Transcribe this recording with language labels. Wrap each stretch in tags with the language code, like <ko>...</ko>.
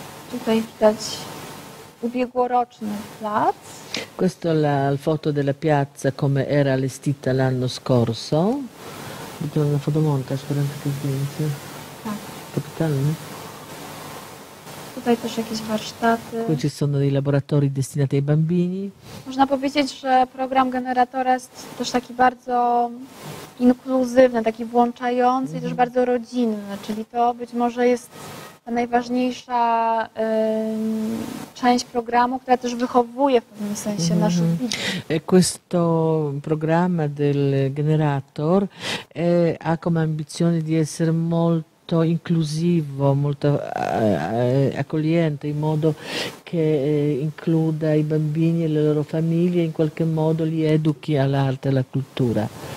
<pl>Tutaj widać ubiegłoroczny plac.</pl> <it>Questa è la foto della piazza come era allestita l'anno scorso. Vediamo una fotomonta, speranza che vince.</it> <pl>Tak.</pl> <it>Capitale?</it> <pl>Tutaj też jakieś warsztaty.</pl> <it>Qui ci sono dei laboratori destinati ai bambini.</it> <pl>Można powiedzieć, że program Generatora jest też taki bardzo inkluzywny, taki włączający i też bardzo rodzinny, czyli to być może jest ta najważniejsza część programu, która też wychowuje w pewnym sensie naszych widzów.</pl> <it>Questo programma del Generator ha come ambizione di essere molto inclusivo, molto accogliente, in modo che includa i bambini e le loro famiglie, in qualche modo li educhi all'arte e alla cultura.</it>